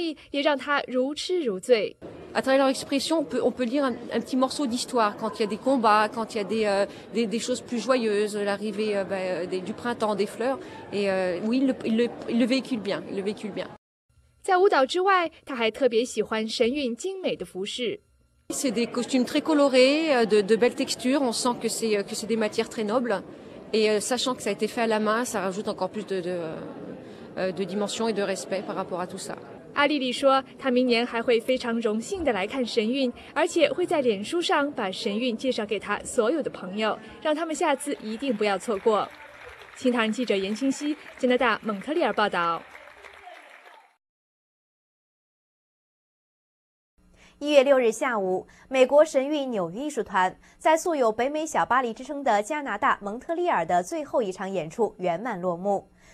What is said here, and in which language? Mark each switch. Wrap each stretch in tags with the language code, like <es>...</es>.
<zh>除了高难度技巧，中国古典舞独特的韵味和表现力也让他如痴如醉。</zh> <fr>À travers leur expression, on peut lire un petit morceau d'histoire quand il y a des combats, quand il y a des choses plus joyeuses, l'arrivée du printemps, des fleurs. Et oui, il le véhicule bien, il le véhicule bien.</fr> <zh>在舞蹈之外，他还特别喜欢神韵精美的服饰。</zh> <fr>C'est des costumes très colorés, de belles textures. On sent que c'est des matières très nobles. Et sachant que ça a été fait à la main, ça rajoute encore plus de dimension et de respect par rapport à tout ça.</fr> <zh>阿丽丽说，她明年还会非常荣幸地来看神韵，而且会在脸书上把神韵介绍给她所有的朋友，让他们下次一定不要错过。新唐记者严清溪，加拿大蒙特利尔报道。1月6日下午，美国神韵纽约艺术团在素有“北美小巴黎”之称的加拿大蒙特利尔的最后一场演出圆满落幕。</zh>